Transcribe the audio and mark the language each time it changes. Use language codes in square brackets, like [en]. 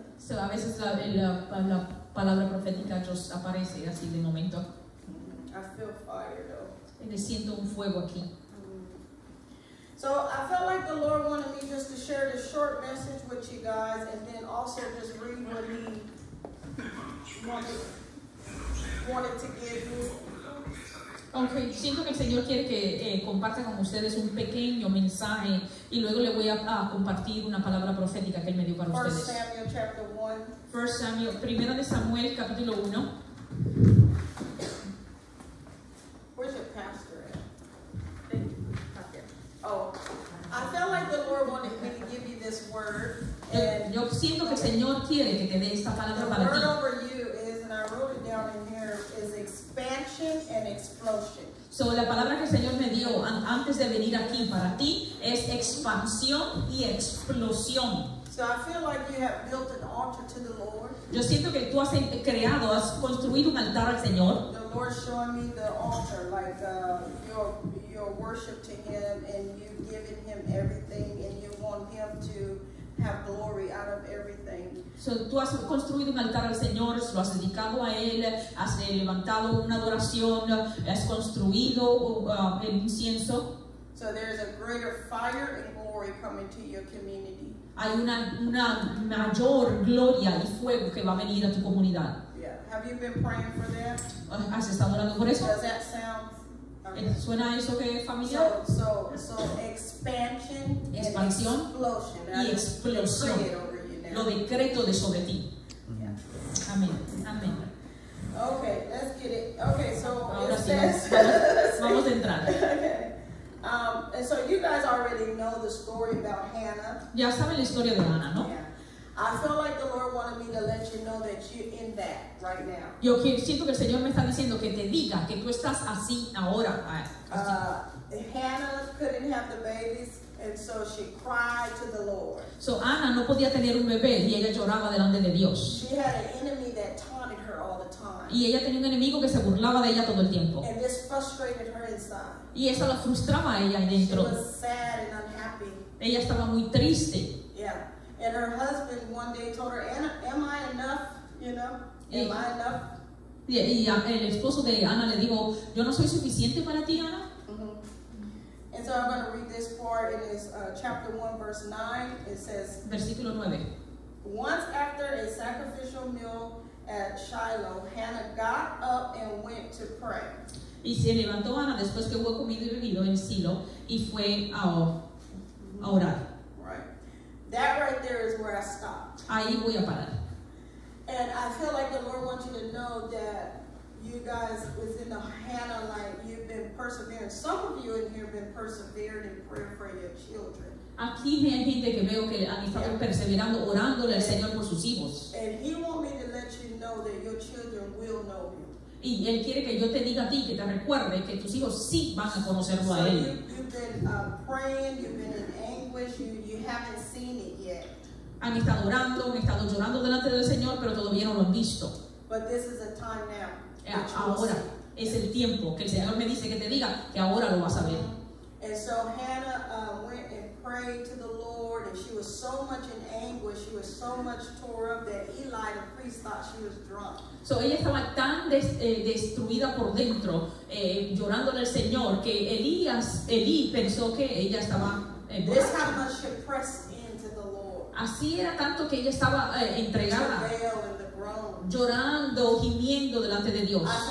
[es] So a veces la palabra profética just aparece así de momento. [en] I feel fire though. [es] Y siento un fuego aquí. [en] So I felt like the Lord wanted me just to share this short message with you guys, and then also just read what he wanted to give you. [es] Okay, siento que el Señor quiere que comparta con ustedes un pequeño mensaje, y luego le voy a compartir una palabra profética que él me dio para ustedes. [en] First Samuel, [es] Primera de Samuel, capítulo 1. [en] Where's your pastor? I felt like the Lord wanted me to give you this word. And [es] yo siento que el Señor quiere que te dé esta palabra para ti. [en] The word over you is, and I wrote it down in here, is expansion and explosion. [es] So la palabra que el Señor me dio antes de venir aquí para ti es expansión y explosión. [en] So I feel like you have built an altar to the Lord. [es] Yo siento que tú has creado, has construido un altar al Señor. [en] The Lord showing me the altar, like your worship to him, and you giving him everything, and you want him to have glory out of everything. [es] So tú has construido un altar al Señor, lo has dedicado a él, has levantado una adoración, has construido el incienso. [en] So there is a greater fire and glory coming to your community. [es] Hay una mayor gloria y fuego que va a venir a tu comunidad. [en] Yeah. Have you been praying for that? [es] ¿Has estado orando por eso? [en] Does that sound familiar? [es] ¿Suena eso que es familiar? [en] So expansion, [es] expansión [en] and explosion. [es] Y explosión. [en] Over you now. [es] Lo decreto de sobre ti. [en] Yeah. [es] Amén. Amén. [en] Okay, let's get it. Okay, so [es] ahora [en] it [es] sí, [en] says, [es] vamos a entrar. [en] Okay. And so you guys already know the story about Hannah. [es] Ya saben la historia de Ana, ¿no? [en] Yeah. I feel like the Lord wanted me to let you know that you're in that right now. [es] Yo siento que el Señor me está diciendo que te diga que tú estás así ahora. [en] Hannah couldn't have the babies, and so she cried to the Lord. [es] So Ana no podía tener un bebé y ella lloraba delante de Dios. [en] She had an enemy that taunted her all the time. [es] Y ella tenía un enemigo que se burlaba de ella todo el tiempo. [en] And this frustrated her inside. [es] Y eso la frustraba a ella dentro. [en] She was sad and unhappy. [es] Ella estaba muy triste. [en] Yeah. And her husband one day told her, "Am I enough? You know? Am I enough?" [es] Y el esposo de Ana le dijo, yo no soy suficiente para ti, Ana. Mm-hmm. [en] And so I'm going to read this part. It is chapter 1, verse 9. It says, [es] versículo 9. [en] Once after a sacrificial meal at Shiloh, Hannah got up and went to pray. [es] Y se levantó Ana después que hubo comido y bebido en Silo y fue a orar. [en] Right. That right there is where I stop. [es] Ahí voy a parar. [en] And I feel like the Lord wants you to know that you guys was in the Hannah light. You've been persevering. Some of you in here have been persevering in prayer for your children. [es] Aquí hay gente que veo que han estado perseverando, orándole al Señor por sus hijos. [en] And He wants me to let you know that your children will know you. [es] Y Él quiere que yo te diga a ti, que te recuerde que tus hijos sí van a conocerlo [en] so [es] a Él. [en] You've been praying, you've been in anguish, you haven't seen it yet. [es] Han estado orando, han estado llorando delante del Señor, pero todavía no lo han visto. [en] But this is a time now. [es] Ahora es el tiempo que el Señor me dice que te diga que ahora lo vas a ver. [en] And so Hannah went and prayed to the Lord, and she was so much in anguish, she was so much tore up that Eli the priest thought she was drunk. [es] So ella estaba tan destruida por dentro, llorando al Señor, que Eli pensó que ella estaba [en] This how much she pressed into the Lord. [es] Así era tanto que ella estaba entregada, llorando, gimiendo delante de Dios.